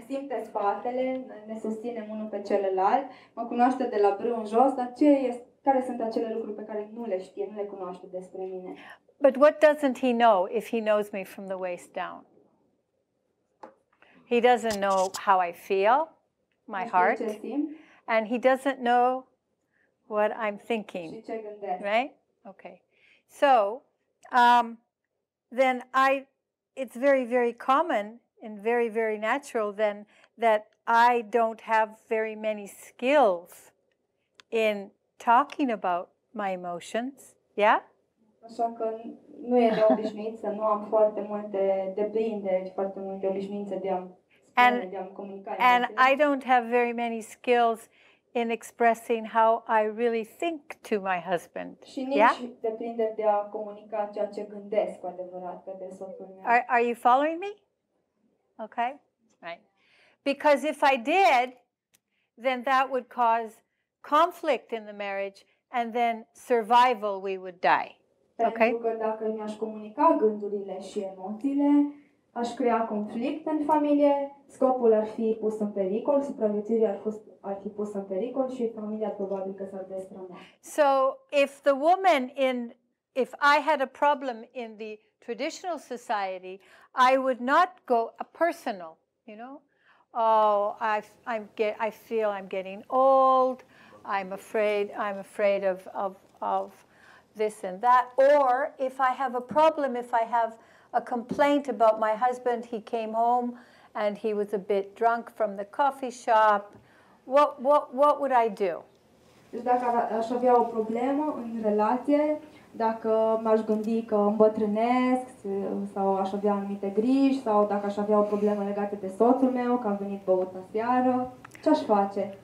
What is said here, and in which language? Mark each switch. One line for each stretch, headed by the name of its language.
Romanian: Simte spatele, ne susținem unul pe celălalt, mă cunoaște de la brâu în jos, dar care sunt acele lucruri pe care nu le știe, nu le cunoaște despre mine?
English: But what doesn't he know if he knows me from the waist down? He doesn't know how I feel, my heart, and he doesn't know what I'm thinking, right? Okay. So then it's very, very common and very, very natural then that I don't have very many skills in talking about my emotions, yeah?
Romanian: Așa că nu e de obișnuit să nu am foarte multe deprinderi, foarte multe obișnuințe de a spune, de a comunica.
English: And I don't have very many skills in expressing how I really think to my husband.
Romanian: Și nici deprinderi de a comunica ceea ce gândesc cu adevărat către soțul meu.
English: Are you following me? Okay? Right. Because if I did, then that would cause conflict in the marriage and then survival, we would die. Okay.
Romanian: Pentru că dacă mi-aș comunica gândurile și emoțiile, aș crea conflict în familie, scopul ar fi pus în pericol, supraviețuirea ar fi pus în pericol și familia probabil că s-ar destrăma.
English: So, if the woman if I had a problem in the traditional society, I would not go a personal, you know? Oh, I feel I'm getting old. I'm afraid of this and that. Or if I have a problem, if I have a complaint about my husband, he came home and he was a bit drunk from the coffee shop, what would I do?
Romanian: Deci dacă aș avea o problemă în relație, dacă m-aș gândi că îmbătrânesc sau aș avea anumite griji sau dacă aș avea o problemă legată de soțul meu, că am venit băut în seară, ce aș face?